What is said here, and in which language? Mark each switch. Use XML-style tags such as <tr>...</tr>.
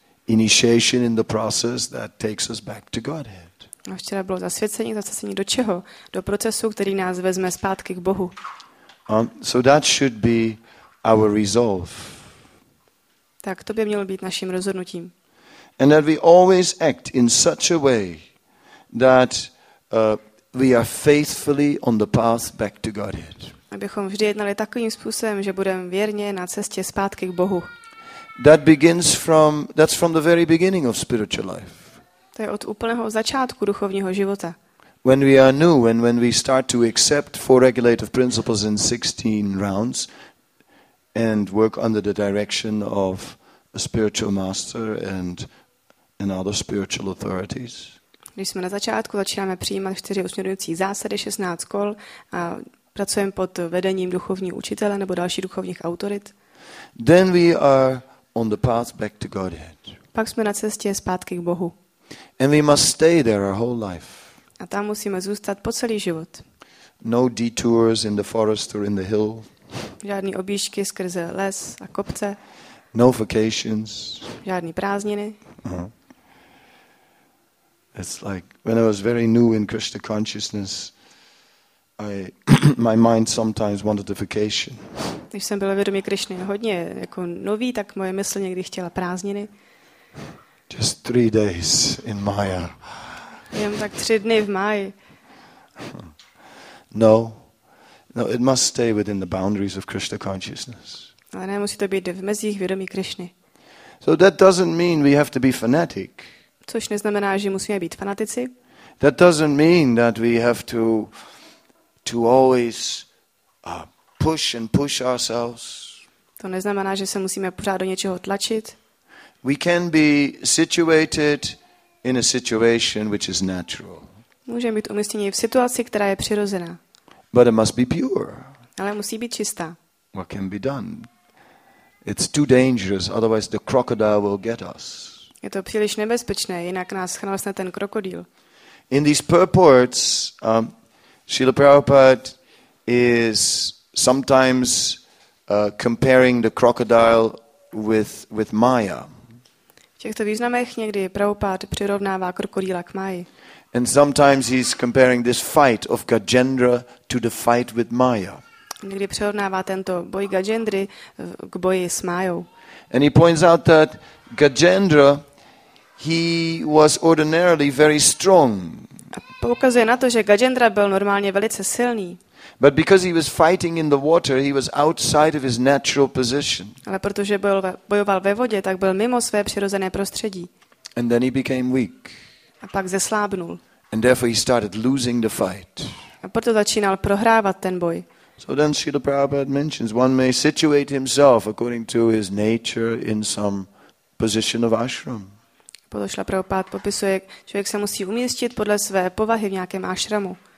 <en>Initiation in the process that takes us back to Godhead.</en> <cs>A včera bylo zasvěcení do čeho? Do procesu, který nás vezme zpátky k Bohu.</cs> <en>So that should be our resolve.</en> <cs>Tak to by mělo být naším rozhodnutím.</cs> <en>And that we always act in such a way that we are faithfully on the path back to Godhead.</en> <cs>Abychom vždy jednali takovým způsobem, že budeme věrně na cestě zpátky k Bohu.</cs> <en>That's from the very beginning of spiritual life.</en> <cs>To je od úplného začátku duchovního života.</cs> <en>When we are new, when we start to accept four regulative principles in 16 rounds and work under the direction of a spiritual master and other spiritual authorities.</en> <cs>Když jsme na začátku začínáme přijímat 4 usměrňující zásady, 16 kol a pracujeme pod vedením duchovního učitele nebo dalších duchovních autorit.</cs> <en>Then we are on the path back to Godhead.</en> <cs>Pak jsme na cestě zpátky k Bohu.</cs> <en>And we must stay there our whole life.</en> <cs>A tam musíme zůstat po celý život.</cs> <en>No detours in the forest or in the hill.</en> <cs>Žádný objížďky skrze les a kopce.</cs> <en>No vacations.</en> <cs>Žádný prázdniny. Uh-huh.</cs> <en>It's like when I was very new in Krishna consciousness, my mind sometimes wanted a vacation.</en> <cs>Když jsem byla vědomí Krišny hodně jako nový, tak moje mysl někdy chtěla prázdniny.</cs> <en>Just 3 days in Maya.</en> <cs>Jen tak 3 dny v Máji.</cs> <en>No, it must stay within the boundaries of Krishna consciousness.</en> <cs>Ale ne, musí to být v mezích vědomí Krišny.</cs> <en>So that doesn't mean we have to be fanatic.</en> <cs>Což neznamená, že musíme být fanatici.</cs> <en>That doesn't mean that we have to always push and push ourselves.</en> <cs>To neznamená, že se musíme pořád do něčeho tlačit.</cs> <en>We can be situated in a situation which is natural.</en> <cs>Můžeme být umístěni v situaci, která je přirozená.</cs> <en>But it must be pure.</en> <cs>Ale musí být čistá.</cs> <en>What can be done? It's too dangerous, otherwise the crocodile will get us.</en> <cs>Je to příliš nebezpečné, jinak nás chrnásne ten krokodýl.</cs> <en>In these purports, Srila Prabhupada is sometimes comparing the crocodile with Maya.</en> <cs>V těchto významech někdy Prabhupada přirovnává krokodýla k Máji.</cs> <en>And sometimes he's comparing this fight of Gajendra to the fight with Maya.</en> <cs>Někdy přirovnává tento boj Gajendry k boji s Májou.</cs> <en>And he points out that Gajendra, he was ordinarily very strong.</en> <cs>Poukazuje na to, že Gajendra byl normálně velice silný.</cs> <en>But because he was fighting in the water, he was outside of his natural position.</en> <cs>Ale protože bojoval ve vodě, tak byl mimo své přirozené prostředí.</cs> <en>And then he became weak.</en> <cs>A pak zeslábnul.</cs> <en>And therefore he started losing the fight.</en> <cs>A proto začínal prohrávat ten boj.</cs> <en>So then Srila Prabhupada mentions one may situate himself according to his nature in some position of ashram.</en> <cs>Podošla Prabhupád popisuje, člověk se musí umístit podle své povahy v nějakém ášramu.</cs>